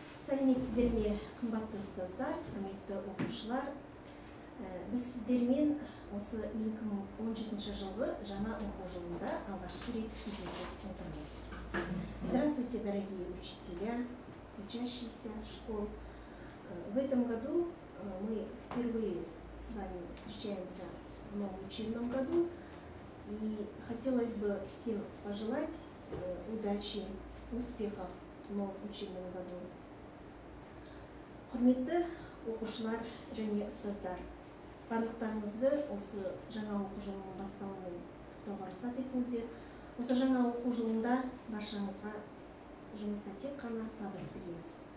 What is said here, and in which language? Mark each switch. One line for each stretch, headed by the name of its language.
Kazakh: Сәлеметсіздерме, қымбатты ұстаздар, құрметті оқушылар. Біз сіздермен осы 2017 жылғы жаңа оқу жылында алғашқы рет кездесіп отырмыз.
Russian: Здравствуйте, дорогие учителя, учащиеся школ. В этом году мы впервые с вами встречаемся в новом учебном году. И хотелось бы всем пожелать удачи, успехов в новом учебном году.
Kazakh: Құрметті оқушылар және ұстаздар, барлықтарыңызды осы жаңа оқу жылының басталуымен құттықтауға рұқсат етіңіздер. Осы жаңа оқу жылында баршаңызға жұмыста тек қана табыс тілейміз.